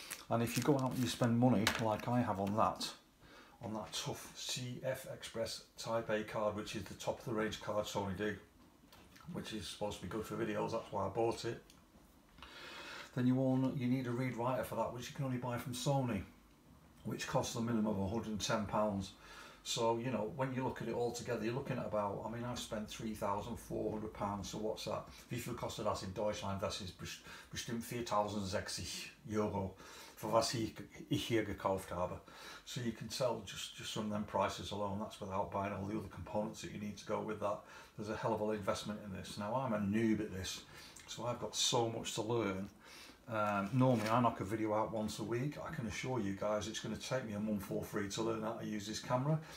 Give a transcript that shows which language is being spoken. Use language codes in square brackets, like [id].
[en] And if you go out and you spend money like I have on that tough CF Express Type A card, which is the top of the range card Sony do, which is supposed to be good for videos, that's why I bought it. Then you need a read writer for that, which you can only buy from Sony, which costs a minimum of £110. So, you know, when you look at it all together, you're looking at about, I mean, I've spent £3,400. So what's that? [de] Wie viel kostet das in Deutschland? Das ist bestimmt 4,060 Euro, für was ich hier gekauft habe. [en] So you can tell just from them prices alone, that's without buying all the other components that you need to go with that. There's a hell of a lot of investment in this. Now, I'm a noob at this, so I've got so much to learn. Normally I knock a video out once a week. I can assure you guys it's going to take me a month or three to learn how to use this camera.